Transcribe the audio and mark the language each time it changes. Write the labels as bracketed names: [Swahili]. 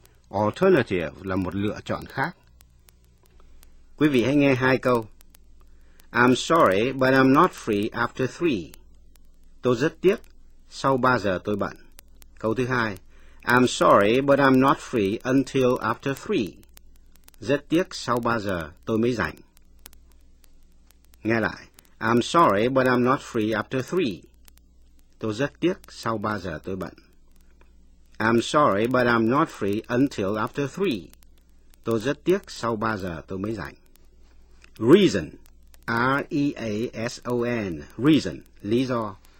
[Vietnamese] Alternative là một lựa chọn khác. Quý vị hãy nghe hai câu. [English] I'm sorry, but I'm not free after 3. [Vietnamese] Tôi rất tiếc, sau 3 giờ tôi bận. Câu thứ hai, [English] I'm sorry, but I'm not free until after 3. [Vietnamese] Rất tiếc, sau 3 giờ tôi mới rảnh. Nghe lại, [English] I'm sorry, but I'm not free after 3. [Vietnamese] Tôi rất tiếc, sau 3 giờ tôi bận. [English] I'm sorry, but I'm not free until after 3. [Vietnamese] Tôi rất tiếc, sau 3 giờ tôi mới rảnh. [English] Reason, R-E-A-S-O-N, reason, [Vietnamese] lý do.